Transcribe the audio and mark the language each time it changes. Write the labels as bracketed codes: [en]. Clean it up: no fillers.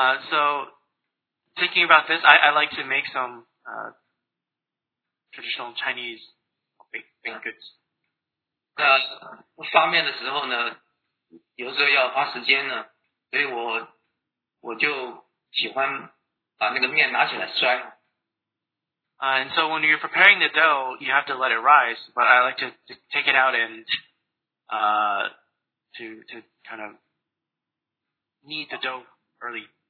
[en] So thinking about this, I like to make some traditional Chinese baked goods. [zh] 那发面的时候呢，有时候要花时间呢，所以我就喜欢把那个面拿起来摔。 [en] And so when you're preparing the dough, you have to let it rise, but I like to take it out and to kind of knead the dough early.